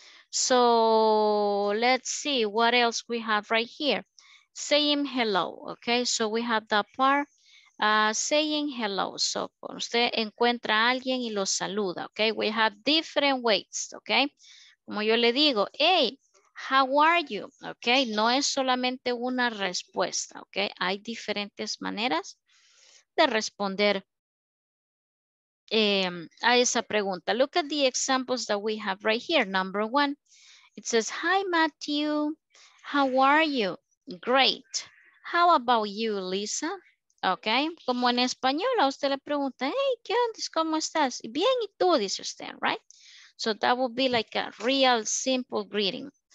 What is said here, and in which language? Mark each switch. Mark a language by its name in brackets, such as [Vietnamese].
[English] So, let's see what else we have right here. Saying hello, okay? So, we have that part, saying hello. [Spanish] So, usted encuentra a alguien y lo saluda, okay? [English] We have different ways, okay? [Spanish] Como yo le digo, [English] hey, how are you? [Spanish] Okay, no es solamente una respuesta, okay? Hay diferentes maneras de responder a esa pregunta. [English] Look at the examples that we have right here. Number one, it says, hi, Matthew. How are you? Great. How about you, Lisa? Okay. [Spanish] Como en español, a usted le pregunta, hey, ¿qué onda? ¿Cómo estás? Bien, ¿y tú? Dice usted, right? [English] So that would be like a real simple greeting.